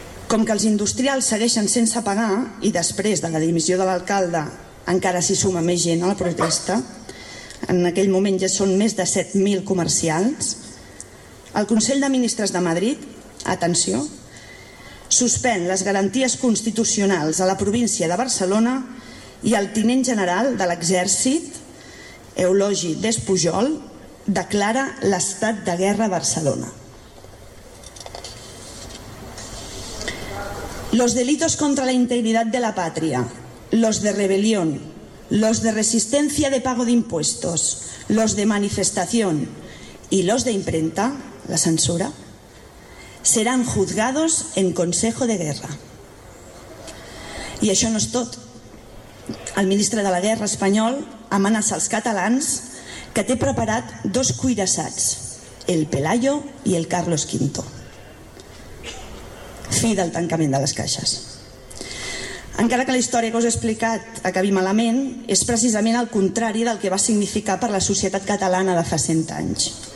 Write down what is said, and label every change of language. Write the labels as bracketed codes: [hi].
[ca] Com que els industrials segueixen sense pagar i després de la dimissió de l'alcalde encara s'hi suma més gent a la protesta, en aquell moment ja són més de 7.000 comercials, el Consell de Ministres de Madrid, atenció, suspèn les garanties constitucionals a la província de Barcelona i el tinent general de l'exèrcit, Eulogi Despujol, declara l'estat de guerra a Barcelona. [es] Los delitos contra la integridad de la patria, los de rebelión, los de resistencia de pago de impuestos, los de manifestación y los de imprenta, la censura, serán juzgados en Consejo de Guerra. [ca] Y això no és tot. El ministre de la Guerra espanyol amenaça als catalans que té preparat dos cuirassats, el Pelayo i el Carlos V. Fi del tancament de les caixes. Encara que la història que us he explicat acabi malament, és precisament el contrari del que va significar per la societat catalana de fa 100 anys.